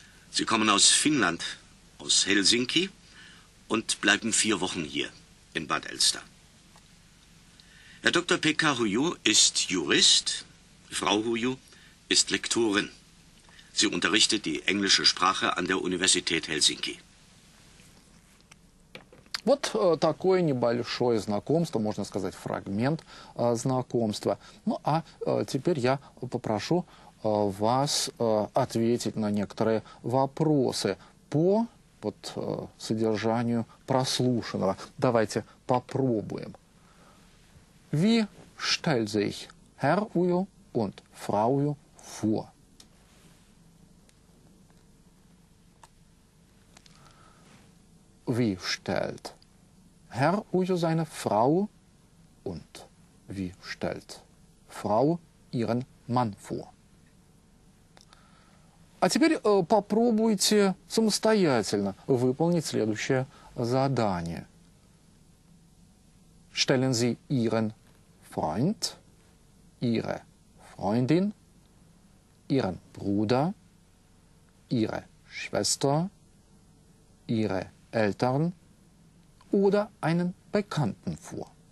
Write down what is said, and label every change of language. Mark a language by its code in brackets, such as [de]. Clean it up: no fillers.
[de] Sie kommen aus Finnland, aus Helsinki und bleiben 4 Wochen hier in Bad Elster. Herr Dr. Pekka Huju ist Jurist, Frau Huju ist Lektorin. Sie unterrichtet die englische Sprache an der Universität Helsinki. [ru] Вот такое небольшое знакомство, можно сказать, фрагмент знакомства. Ну, а теперь я попрошу вас ответить на некоторые вопросы по вот, содержанию прослушанного. Давайте попробуем. [de] Wie stellt sich Herr Uyo und Frau Uyo vor? Wie stellt Herr Uyo seine Frau und wie stellt Frau ihren Mann vor? [ru] А теперь попробуйте самостоятельно выполнить следующее задание. [de] Stellen Sie Ihren Freund, Ihre Freundin, Ihren Bruder, Ihre Schwester, Ihre Eltern oder einen Bekannten vor.